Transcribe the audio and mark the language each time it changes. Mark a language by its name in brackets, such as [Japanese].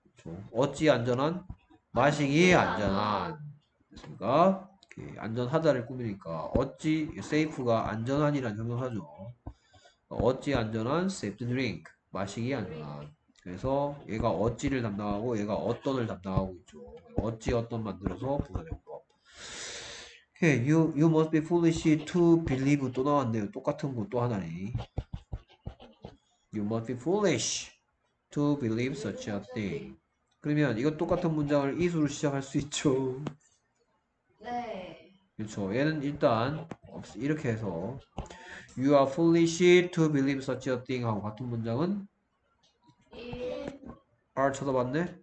[Korean] 그렇죠. 어찌 안전한? 마시기 안전한. 됐습니까? 오케이. 안전하다를 꾸미니까 어찌 safe가 안전한이란 형용사죠. 어찌 안전한? safe to drink. 마시기 안전한. 그래서 얘가 어찌를 담당하고 얘가 어떤을 담당하고 있죠. 어찌 어떤 만들어서 부사령법. [English] Okay, you must be foolish to believe [Korean] 또 나왔네요. 똑같은 거또 하나네. [English] You must be foolish to believe such a thing. [Korean] 그러면 이거 똑같은 문장을 이수로 시작할 수 있죠. 그렇죠. 얘는 일단 이렇게 해서 [English] You are foolish to believe such a thing [Korean] 하고 같은 문장은 R 쳐다봤네.